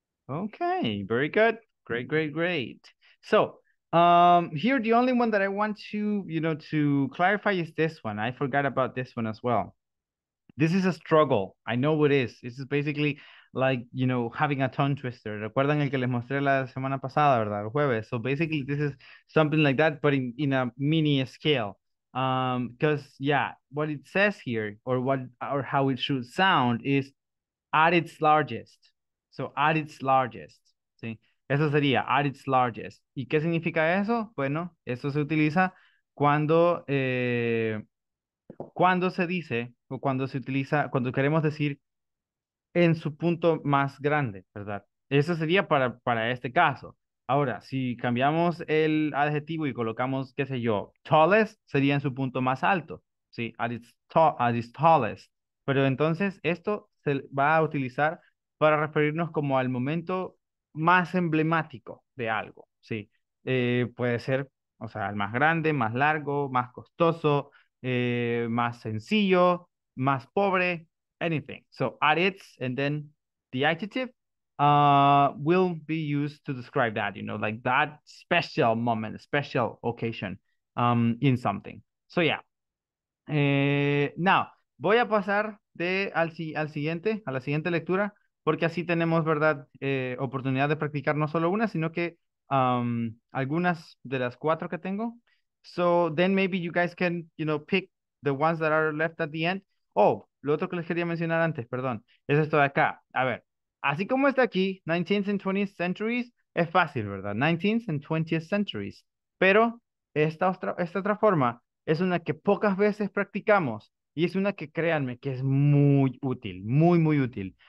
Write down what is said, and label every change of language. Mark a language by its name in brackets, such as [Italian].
[English] Okay, very good. Great. So here, the only one that I want to, you know, to clarify is this one. I forgot about this one as well. This is a struggle. I know it is. This is basically like, you know, having a tongue twister. [Spanish] ¿Recuerdan el que les mostré la semana pasada, verdad? El jueves. [English] So basically, this is something like that, but in a mini scale. Because, yeah, what it says here, or how it should sound, is at its largest. So at its largest. [Spanish] ¿Sí? Eso sería [English] at its largest. [Spanish] ¿Y qué significa eso? Bueno, eso se utiliza cuando se dice, o cuando se utiliza, cuando queremos decir en su punto más grande, ¿verdad? Eso sería para este caso. Ahora, si cambiamos el adjetivo y colocamos, qué sé yo, tallest, sería en su punto más alto, ¿sí? [English] At its tallest. [Spanish] Pero entonces, esto se va a utilizar para referirnos como al momento más emblemático de algo, ¿sí? Puede ser, o sea, el más grande, más largo, más costoso, más sencillo, más pobre, anything. [English] So, at its, and then the adjective will be used to describe that, you know, like that special moment, special occasion in something. So, yeah. [Spanish] Now, voy a pasar a la siguiente lectura, porque así tenemos, ¿verdad?, oportunidad de practicar no solo una, sino que algunas de las cuatro que tengo. [English] So then maybe you guys can, you know, pick the ones that are left at the end. [Spanish] Oh, lo otro que les quería mencionar antes, perdón, es esto de acá. A ver, así como está aquí, [English] 19th and 20th centuries, [Spanish] es fácil, ¿verdad? [English] 19th and 20th centuries. [Spanish] Pero esta otra forma es una que pocas veces practicamos y es una que, créanme, que es muy útil, muy, muy útil.